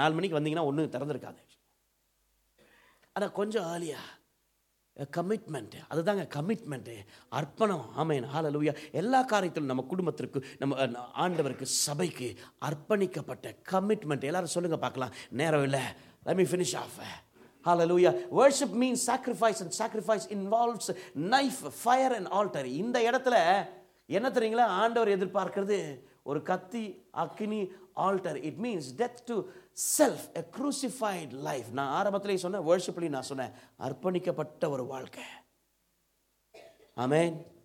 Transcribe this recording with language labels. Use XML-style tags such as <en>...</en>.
<ta>4 வந்தீங்கன்னா ஒன்று திறந்துருக்காது. ஆனால் கொஞ்சம் ஆலியா கமிட்மெண்ட், அதுதாங்க கமிட்மெண்ட், அர்ப்பணம். ஆமேன். ஹாலலூயா. எல்லா காரியத்திலும் நம்ம குடும்பத்திற்கு, நம்ம ஆண்டவருக்கு, சபைக்கு அர்ப்பணிக்கப்பட்ட கமிட்மெண்ட். எல்லாரும் சொல்லுங்க பார்க்கலாம். நேரம் இல்லை,</ta> <en>Let me finish off.</en> <ta>Hallelujah.</ta> <en>Worship means sacrifice, and sacrifice involves knife, fire and altar.</en> <ta>இந்த இடத்துல என்ன தெரியுங்களா ஆண்டவர் எதிர்பார்க்கிறது? ஒரு கத்தி, அக்னி, alter.</ta> <en>It means death to self, a crucified life.</en> <ta>நான் ஆரம்பத்திலே சொன்னேன், வர்ஷிப்லையும் நான் சொன்னேன், அர்ப்பணிக்கப்பட்ட ஒரு வாழ்க்கை. ஆமேன்.</ta>